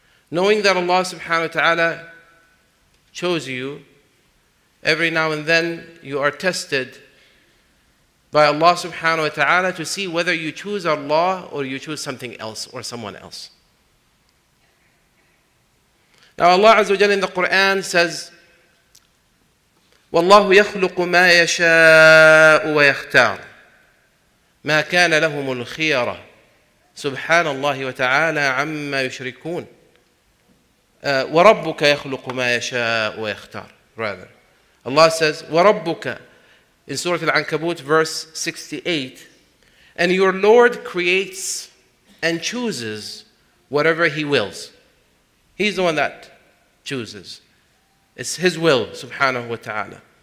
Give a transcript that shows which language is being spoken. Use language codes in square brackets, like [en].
[en] Knowing that Allah subhanahu wa ta'ala chose you, every now and then you are tested by Allah subhanahu wa ta'ala to see whether you choose Allah or you choose something else or someone else. Now Allah Azza wa Jalla in the Quran says, [ar] وَاللَّهُ يَخْلُقُ مَا يَشَاءُ وَيَخْتَارُ مَا كَانَ لَهُمُ الْخِيَرَةُ سُبْحَانَ اللَّهِ وَتَعَالَى عَمَّا يُشْرِكُونَ وَرَبُّكَ يَخْلُقُ مَا يَشَاءُ وَيَخْتَارُ [en] rather. Allah says, وَرَبُّكَ in Surah Al-Ankabut, verse 68, and your Lord creates and chooses whatever He wills. He's the one that chooses. It's His will, subhanahu wa ta'ala.